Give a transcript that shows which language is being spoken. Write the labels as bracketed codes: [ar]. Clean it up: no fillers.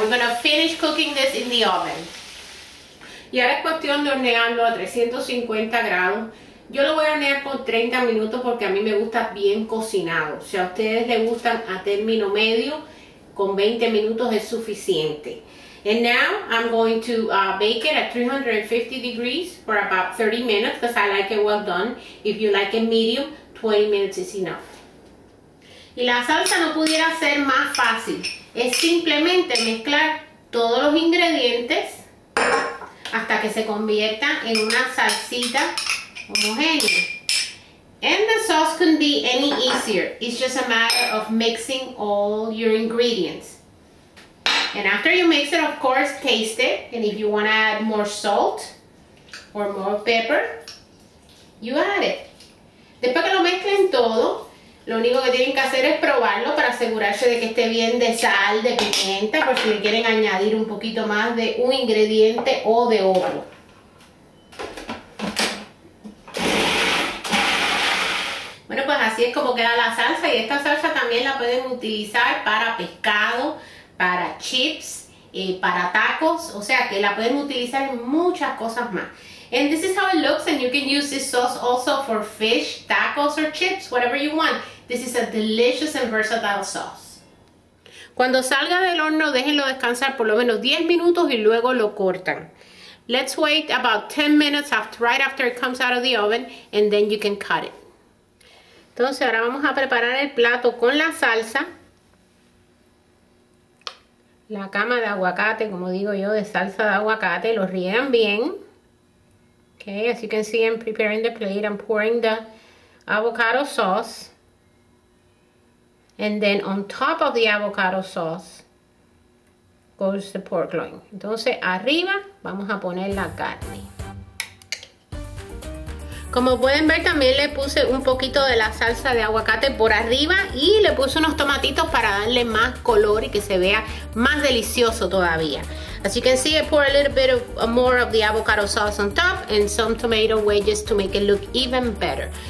[en] We're going to finish cooking this in the oven. [es] Y ahora es cuestión de hornearlo a 350 grados. Yo lo voy a hornear por 30 minutos porque a mí me gusta bien cocinado. Si a ustedes les gustan a término medio, con 20 minutos es suficiente. [en] And now I'm going to bake it at 350 degrees for about 30 minutes because I like it well done. If you like it medium, 20 minutes is enough. [es] Y la salsa no pudiera ser más fácil. Es simplemente mezclar todos los ingredientes hasta que se convierta en una salsita homogéneo. [en] And the sauce couldn't be any easier. It's just a matter of mixing all your ingredients. And after you mix it, of course, taste it. And if you want to add more salt or more pepper, you add it. [es] Después que lo mezclen todo, lo único que tienen que hacer es probarlo para asegurarse de que esté bien de sal, de pimienta, por si quieren añadir un poquito más de un ingrediente o de otro. Bueno, pues así es como queda la salsa, y esta salsa también la pueden utilizar para pescado, para chips, para tacos, o sea que la pueden utilizar en muchas cosas más. [en] And this is how it looks, and you can use this sauce also for fish, tacos or chips, whatever you want. This is a delicious and versatile sauce. [es] Cuando salga del horno, déjenlo descansar por lo menos 10 minutos y luego lo cortan. [en] Let's wait about 10 minutes after, right after it comes out of the oven, and then you can cut it. [es] Entonces ahora vamos a preparar el plato con la salsa, la cama de aguacate, como digo yo, de salsa de aguacate, lo rían bien. [en] Okay, as you can see, I'm preparing the plate, I'm pouring the avocado sauce, and then on top of the avocado sauce goes the pork loin. [es] Entonces arriba vamos a poner la carne. Como pueden ver, también le puse un poquito de la salsa de aguacate por arriba y le puse unos tomatitos para darle más color y que se vea más delicioso todavía. [en] As you can see, I pour a little bit of more of the avocado sauce on top and some tomato wedges to make it look even better.